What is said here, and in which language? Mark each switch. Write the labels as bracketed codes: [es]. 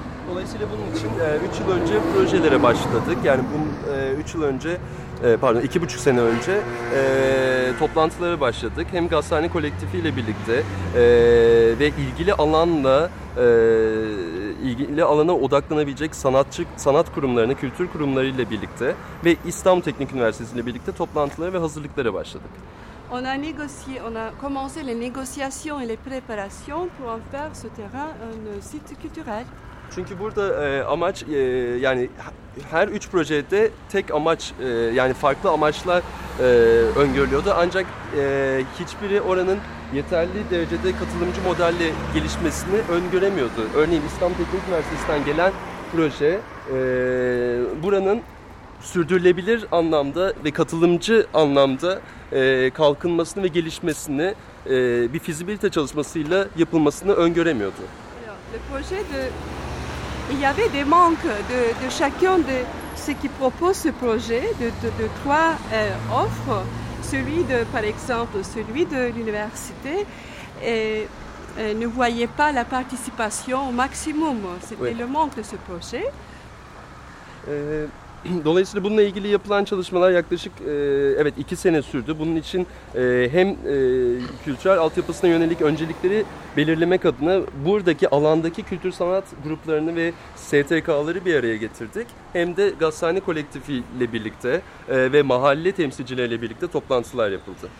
[tr] Dolayısıyla bunun için 3 yıl önce projelere başladık. Yani bu 3 yıl önce, pardon 2,5 sene önce toplantılara başladık. Hem gazhane kolektifiyle birlikte ve ilgili alana odaklanabilecek sanat kurumlarını, kültür kurumlarıyla birlikte ve İstanbul Teknik Üniversitesi ile birlikte toplantılara ve hazırlıklara başladık. [fr] On a négocié, on a commencé les négociations et les préparations pour en faire ce terrain un site culturel. [tr] Çünkü burada amaç yani her üç projede tek amaç yani farklı amaçlar öngörülüyordu. Ancak hiçbiri oranın yeterli derecede katılımcı modelle gelişmesini öngöremiyordu. Örneğin İstanbul Teknik Üniversitesi'nden gelen proje buranın sürdürülebilir anlamda ve katılımcı anlamda kalkınmasını ve gelişmesini bir fizibilite çalışmasıyla yapılmasını öngöremiyordu. [fr] Le projet de il y avait des manques de chacun de ceux qui proposent ce projet de trois offres, celui de par exemple celui de l'université ne voyait pas la participation au maximum, c'était le manque de ce projet. [tr] Dolayısıyla bununla ilgili yapılan çalışmalar yaklaşık 2 sene sürdü. Bunun için hem kültürel altyapısına yönelik öncelikleri belirlemek adına buradaki alandaki kültür sanat gruplarını ve STK'ları bir araya getirdik. Hem de gazhane kolektifiyle birlikte ve mahalle temsilcileriyle birlikte toplantılar yapıldı.